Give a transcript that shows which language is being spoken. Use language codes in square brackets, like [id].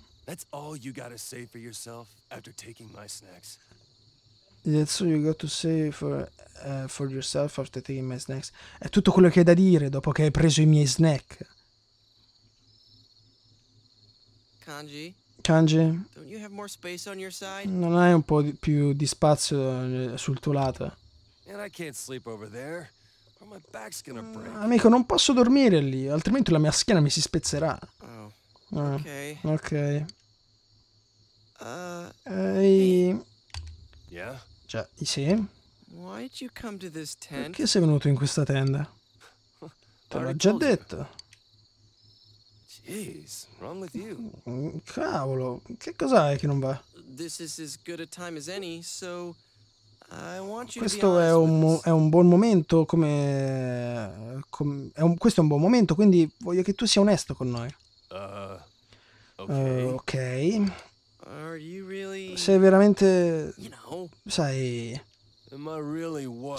[en] That's all you gotta say for yourself after taking my snacks. That's all you gotta say for yourself after taking my snacks. [it] È tutto quello che hai da dire dopo che hai preso i miei snack. Kanji? [en] Don't you have more space on your side? [it] Non hai un po' più di spazio sul tuo lato? [en] And I can't sleep over there, or my back's gonna break. [it] Amico, non posso dormire lì, altrimenti la mia schiena mi si spezzerà. Oh. Ok. Ehi. [en] Yeah? [it] Cioè, sì. [en] Why did you come to this tent? [it] Perché sei venuto in questa tenda? Te l'ho già detto. [en] Jeez, wrong with you. [it] Cavolo, che cos'hai che non va? [en] This is as good a time as any, so I want you [it] questo [en] to be [it] questo è un buon momento, quindi voglio che tu sia onesto con noi. Okay. [en] Are you really... [it] Sei veramente... [en] You know, [it] sai... [en] Am I really what?